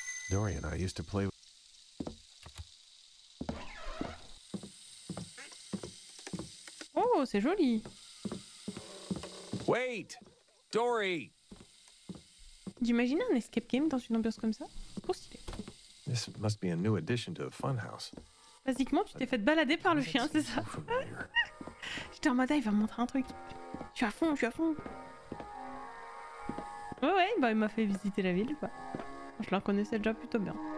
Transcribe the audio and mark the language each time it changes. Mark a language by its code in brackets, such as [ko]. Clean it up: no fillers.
[en] Dorian, I used to play. [fr] Oh, c'est joli! [en] Wait, Dory. [fr] D'imaginer un escape game dans une ambiance comme ça, trop stylé. [en] This must be a new addition to the funhouse. [fr] Basiquement, tu t'es fait balader par le chien, c'est ça. J'étais en mode, il va me montrer un truc. Je suis à fond. Ouais, bah il m'a fait visiter la ville, quoi. Je la connaissais déjà plutôt bien.